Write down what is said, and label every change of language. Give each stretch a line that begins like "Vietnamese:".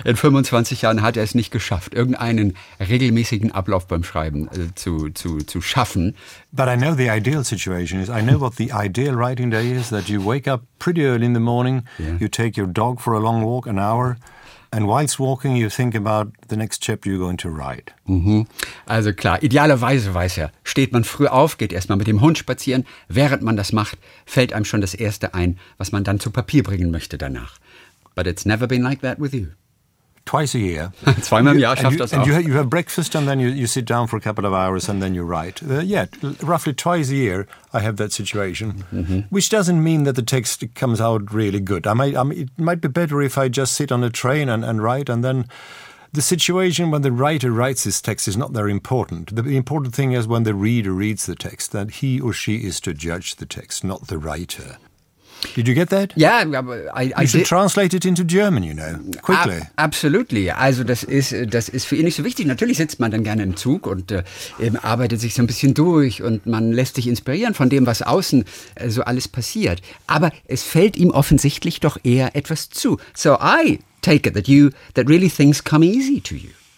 German: In 25 Jahren hat er es nicht geschafft, irgendeinen regelmäßigen Ablauf beim Schreiben zu schaffen.
English: But I know the ideal situation is, I know what the ideal writing day is, that you wake up pretty early in the morning, you take your dog for a long walk, an hour, and whilst walking, you think about the next chapter you're going to write. Mm-hmm.
German: Also klar, idealerweise weiß er, steht man früh auf, geht erstmal mit dem Hund spazieren. Während man das macht, fällt einem schon das Erste ein, was man dann zu Papier bringen möchte danach.
English: But it's never been like that with you. Twice a year.
German: Zweimal im Jahr schafft das auch.
English: And you have breakfast and then you sit down for a couple of hours and then you write. Roughly twice a year I have that situation. Mm-hmm. Which doesn't mean that the text comes out really good. It might be better if I just sit on a train and write and then... the situation when the writer writes his text is not very important. The important thing is when the reader reads the text, that he or she is to judge the text, not the writer. Did you get that? Yeah, You should translate it into German, you know, quickly. Absolutely.
German: Also das ist für ihn nicht so wichtig. Natürlich sitzt man dann gerne im Zug und arbeitet sich so ein bisschen durch und man lässt sich inspirieren von dem, was außen so alles passiert. Aber es fällt ihm offensichtlich doch eher etwas zu.
English: So I take it that really things come easy to you.